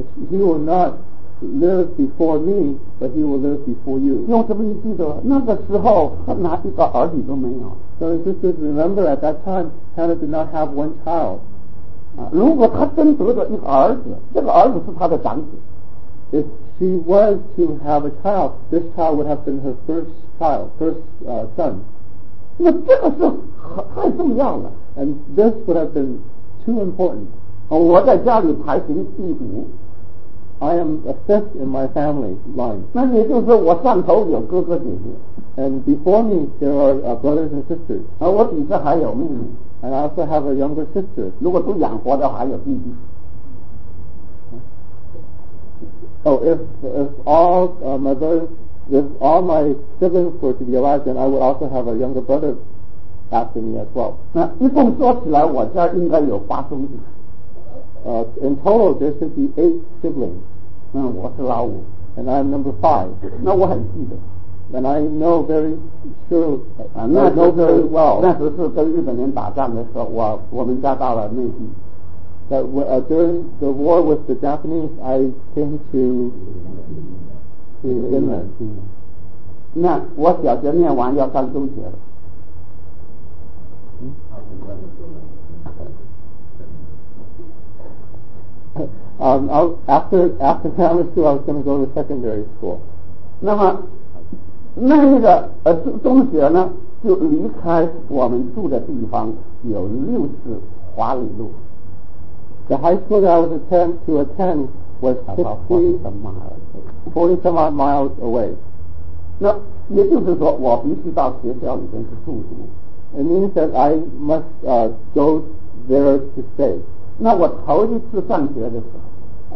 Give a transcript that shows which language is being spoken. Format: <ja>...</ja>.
<en>he will not live before me, but he will live before you.</en> <zh>用什么意思的? 那个时候, 他哪一个儿女都没有。</zh> <en>So his sisters remember at that time, Hannah did not have one child.</en> <zh>如果他真得了一个儿子,</zh> <en>if she was to have a child, this child would have been her first child, first son.</en> <zh>那这个是太重要了,</zh> <en>and this would have been too important.</en> <zh>我在家里排行第五,</zh> <en>I am a fifth in my family line.</en> <zh>那也就是我上头有哥哥姐姐,</zh> <en>and before me there are brothers and sisters.</en> <zh>我底下还有妹妹,</zh> <en>and I also have a younger sister.</en> <zh>如果都养活的话还有弟弟,</zh> <en>oh, if all my siblings were to be alive, then I would also have a younger brother after me as well.</en> <zh>那一共说起来我家应该有八兄弟,</zh> <en>in total there should be eight siblings.</en> <zh>嗯,我是老五,</zh> <en>and I'm number five.</en> <zh>那我很记得,</zh> <en>and I know very sure, I know very well.</en> <zh>那时是跟日本人打仗的时候,我们家到了内地,</zh> <en>that during the war with the Japanese, I came to Inland.</en> <zh>那我小学念完要上中学了,</zh> <en>after primary school, I was going to go to secondary school.</en> <zh>那么那个中学呢，就离开我们住的地方有60华里路。</zh> <en>The high school that I was to attend was 40 some odd miles away.</en> <zh>那也就是说，我必须到学校里边去住宿。</zh> <en>It means that I must go there to stay.</en> <zh>那我头一次上学的时候,</zh>